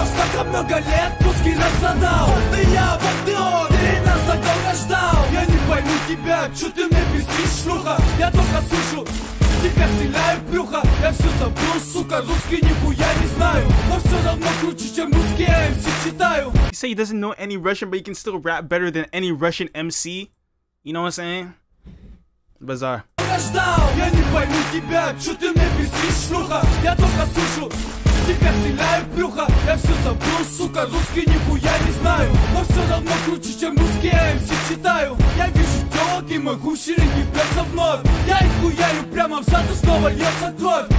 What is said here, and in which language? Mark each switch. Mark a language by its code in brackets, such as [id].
[ru] Столько много лет русский рэп задал. Вот и я, вот и он, ты нас так долго ждал. Я не пойму тебя, чё ты мне пиздишь, шлюха. Я только слышу, тебя стреляю в брюхо. Я все забыл, сука, русский нихуя не знаю. Но все равно круче, чем русский MC читаю. [en] You say he doesn't know any Russian, but he can still rap better than any Russian MC. You know what I'm saying? Bizarre. [ru] Я не пойму тебя, чё ты мне пиздишь, шлюха. Я только слышу, тебя стреляю в брюхо. Я все забыл, сука, русский нихуя не знаю. Но все равно круче, чем русский MC читаю. Я вижу тёлок и могу ширинги пьётся вновь. Я их хуярю прямо в зад и снова льётся кровь.